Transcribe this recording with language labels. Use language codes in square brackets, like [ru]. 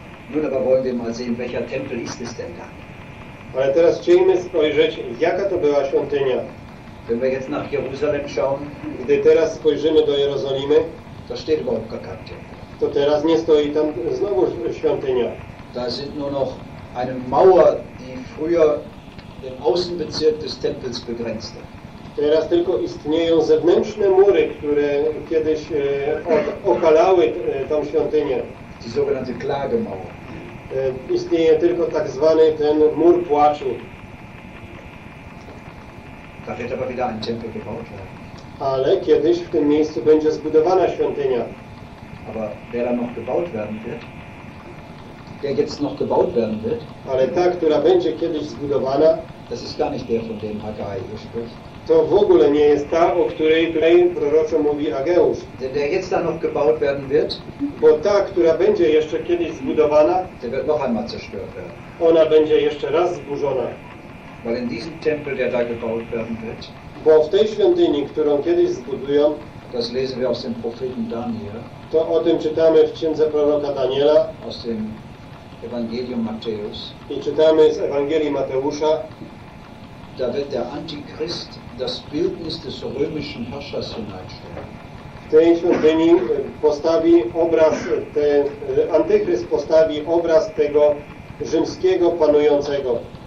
[de] Nun aber wollen wir mal sehen, welcher Tempel ist es denn da? [pl] Ale teraz chcielibyśmy spojrzeć, jaka to była świątynia. [de] Wenn wir jetzt nach Jerusalem schauen, [pl] gdy teraz spojrzymy do Jerozolimy, [de] to steht Wolkakarte. [pl] To teraz nie stoi tam znowu świątynia. [de] Da sind nur noch eine Mauer, die früher den Außenbezirk des Tempels begrenzte. [pl] Teraz tylko istnieją zewnętrzne mury, które kiedyś okalały tą świątynię. [de] Die sogenannte Klagemauer. [pl] Istnieje tylko tak zwany ten mur płaczu. [de] Da wird aber wieder ein Tempel gebaut werden. [pl] Ale kiedyś w tym miejscu będzie zbudowana świątynia. [de] Aber wer da noch gebaut werden wird? Der jetzt noch gebaut werden wird. [pl] Ale ta, która będzie kiedyś zbudowana, [de] das ist gar nicht der, von dem Haggai hier spricht. [pl] To w ogóle nie jest ta, o której tutaj proroczo mówi Ageusz. [de] Der jetzt da noch gebaut werden wird, [pl] bo ta, która będzie jeszcze kiedyś zbudowana, [de] der wird noch einmal zerstört werden. [pl] Ona będzie jeszcze raz zburzona. [de] Weil in diesem Tempel, der da gebaut werden wird, [pl] bo w tej świątyni, którą kiedyś zbudują, [de] das lesen wir aus dem Propheten Daniel, [pl] to o tym czytamy w księdze proroka Daniela, [de] aus dem Evangelium Matthäus, [pl] i czytamy z Ewangelii Mateusza, [de] da wird der Antichrist das Bildnis des römischen Herrschers hineinstellen. [pl] W tej świątyni postawi obraz, Antychryst postawi obraz tego rzymskiego panującego.